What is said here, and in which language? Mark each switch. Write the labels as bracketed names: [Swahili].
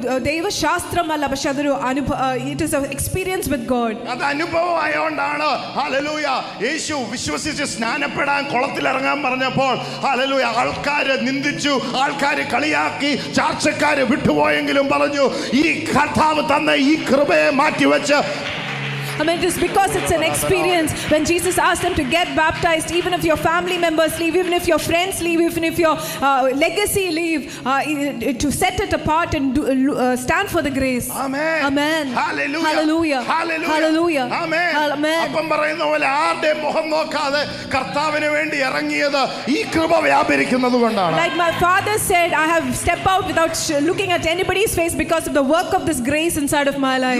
[Malayalam] ദൈവശാസ്ത്രമല്ല, പക്ഷെ അതൊരു [English] It is a experience with God. [Malayalam] അത് അനുഭവം ആയതുകൊണ്ടാണ് ഹല്ലേലൂയ യേശു വിശ്വസിച്ച് സ്നാനപ്പെടാൻ കുളത്തിൽ ഇറങ്ങാൻ പറഞ്ഞപ്പോൾ ഹല്ലേലൂയ ആൾക്കാരെ നിന്ദിച്ചു, ആൾക്കാരെ കളിയാക്കി, ചാർച്ചക്കാരെ വിട്ടുപോയെങ്കിലും പറഞ്ഞു ഈ കർത്താവ് തന്ന ഈ കൃപയെ മാറ്റിവെച്ച്. [English] I mean, just because it's an experience, when Jesus asked them to get baptized, even if your family members leave, even if your friends leave, even if your legacy leave, to set it apart and do, stand for the grace. Amen. Amen. Hallelujah. Hallelujah. Hallelujah. Hallelujah. Amen. Amen. [Malayalam] അപ്പം പറയുന്ന പോലെ ആരുടെ മുഖം നോക്കാതെ കർത്താവിന് വേണ്ടി ഇറങ്ങിയത് ഈ കൃപ വ്യാപരിക്കുന്നതുകൊണ്ടാണ്. [English] Like my father said, I have stepped out without looking at anybody's face because of the work of this grace inside of my life.